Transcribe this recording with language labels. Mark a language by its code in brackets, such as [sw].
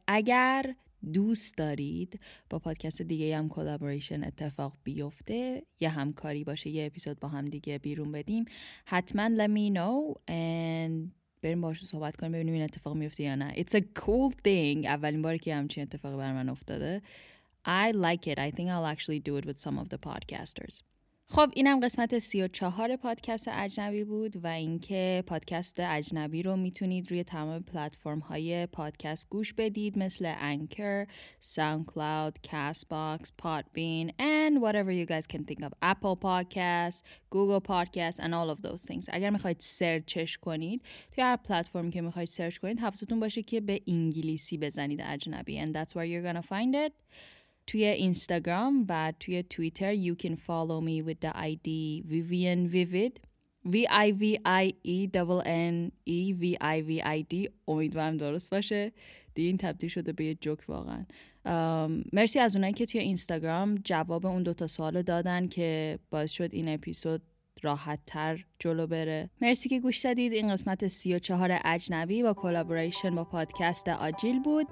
[fa] اگر دوست دارید با پادکست دیگه هم کلابوریشن اتفاق بیفته، یه همکاری باشه، یه اپیزود با هم دیگه بیرون بدیم، حتما [en] let me know and [fa] بریم باشون صحبت کنیم ببینیم این اتفاق میفته یا نه. [en] It's a cool thing. [fa] اولین باری که همچین اتفاق بر من افتاده. [en] I like it. I think I'll actually do it with some of the podcasters. [fa] خب اینم قسمت 34 پادکست اجنبی بود و اینکه پادکست اجنبی رو میتونید روی تمام پلتفرم های پادکست گوش بدید، مثل انکر، ساوند کلاود، کاست باکس، پادبین [en] and whatever you guys can think of. [fa] اپل پادکست، گوگل پادکست [en] and all of those things. [fa] اگر میخواید سرچش کنید توی هر پلتفرمی که میخواید سرچ کنید، حواستون باشه که به انگلیسی بزنید اجنبی. And that's where you're gonna find it. توی اینستاگرام و توی توییتر you can follow me with the ID Vivian Vivid, VivianVivid. امیدوارم درست باشه. دیگه این تبدیل شده به یه جوک واقعا. مرسی از اونایی که توی اینستاگرام جواب اون دوتا سوال دادن که باعث شد این اپیزود راحت تر جلو بره. مرسی که گوش دادید. این قسمت 34 اجنبی با کلابوریشن با پادکست آجیل بود.